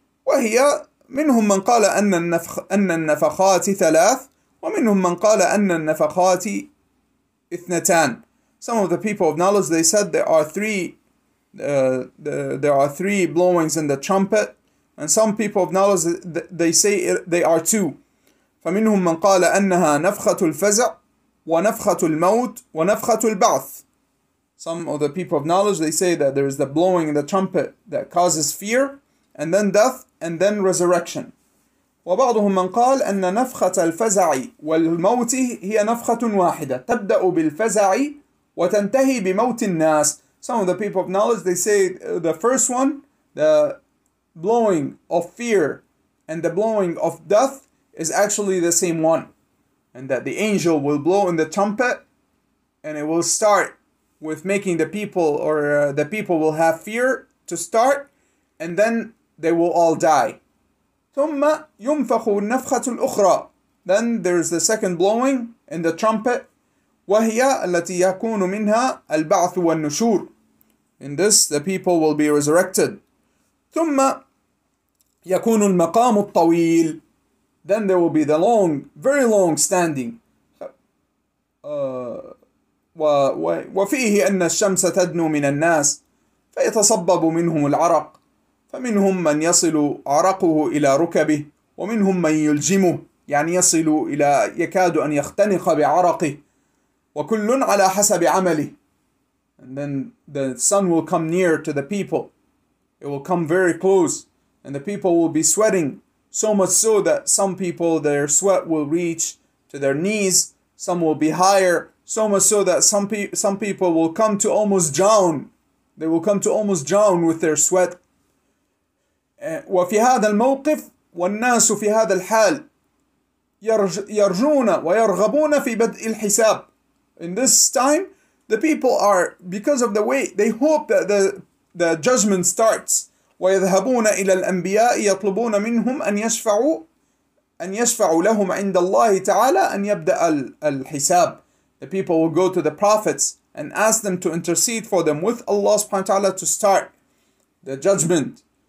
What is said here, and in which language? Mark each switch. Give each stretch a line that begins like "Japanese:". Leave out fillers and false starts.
Arabic: وهي منهم من قال أن النفخات ثلاث، ومنهم من قال أن النفخات اثنتان.
English: Some of the people of knowledge, they said there are three blowings in the trumpet. And some people of knowledge, they say they are two.
Arabic: فمنهم من قال أنها نفخة الفزع ونفخة الموت ونفخة البعث.
English: Some of the people of knowledge, they say that there is the blowing in the trumpet that causes fear, and then death, and then resurrection.
Arabic: وبعضهم من قال أن نفخة الفزع والموت هي نفخة واحدة تبدأ بالفزع وتنتهي بموت الناس.
English: Some of the people of knowledge, they say the first one, the blowing of fear and the blowing of death is actually the same one, and that the angel will blow in the trumpet and it will start with making the people or the people will have fear to start, and then they will all die.
Arabic: ثم ينفخ النفخة الأخرى.
English: Then there's the second blowing in the trumpet,
Arabic: وهي التي يكون منها البعث والنشور.
English: In this, the people will be resurrected.
Arabic: ثم يكون المقام الطويل.
English: Then there will be the long, very long standing.
Arabic: وفيه أن الشمس تدنو من الناس فيتصبب منهم العرق. فمنهم من يصل عرقه إلى ركبه ومنهم من يلجمه، يعني يصل إلى يكاد أن يختنق بعرقه، وكل على حسب عمله.
English: And then the sun will come near to the people. It will come very close. And the people will be sweating so much so that some people, their sweat will reach to their knees. Some will be higher. So much so that some people will come to almost drown. They will come to almost drown with their sweat.
Arabic: وفي هذا الموقف والناس في هذا الحال يرجون ويرغبون في بدء الحساب.
English: In this time, the people are, because of the way, they hope that the judgment starts.
Arabic: ويذهبون إلى الأنبياء يطلبون منهم أن يشفعوا لهم عند الله تعالى أن يبدأ الحساب.
English: The people will go to the prophets and ask them to intercede for them with Allah سبحانه وتعالى to start the judgment.